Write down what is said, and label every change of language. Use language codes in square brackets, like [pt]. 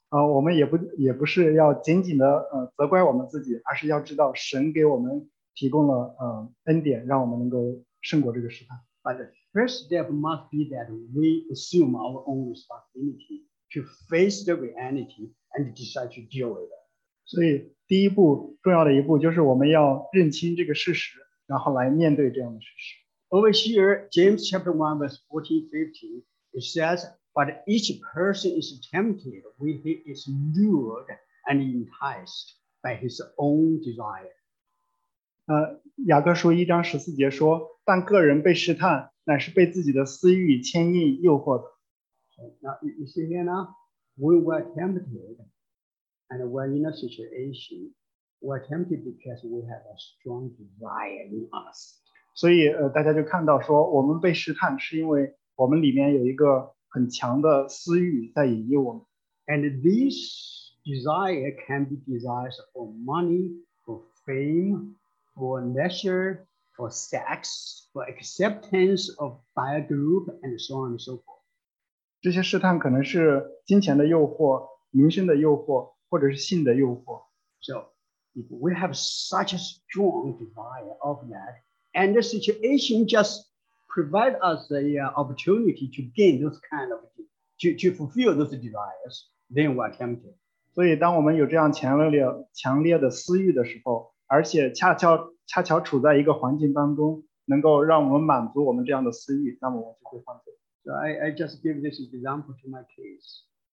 [zh] 我们也不是要紧紧的责怪我们自己，而是要知道神给我们提供了恩典，让我们能够胜过这个试探。 [en] But the first step must be that we assume our own responsibility to face the reality and decide to deal with it. [zh] 所以第一步重要的一步就是我们要认清这个事实，然后来面对这样的事实。 [en] Over here, James chapter 1 verse 14-15, it says,But each person is tempted when he is lured and enticed by his own desire. [zh] 雅各书一章十四节说，但个人被试探，乃是被自己的私欲牵引诱惑的。 [en] Now, you see here now, we were tempted and we're in a situation, we're tempted because we have a strong desire in us. [zh] 所以大家就看到说，我们被试探是因为我们里面有一个很强的私欲在引诱我们。 [en] And this desire can be desires for money, for fame, for leisure, for sex, for acceptance of by a group, and so on and so forth. [zh] 这些试探可能是金钱的诱惑、名声的诱惑，或者是性的诱惑。 [en] So, if we have such a strong desire of that, and the situation just provide us the opportunity to gain those kind of, to fulfill those desires, then we are tempted. [zh] 所以当我们有这样强烈的私欲的时候，而且恰巧处在一个环境当中，能够让我们满足我们这样的私欲，那么我们就会犯罪。 [en] So I just give this example to my kids.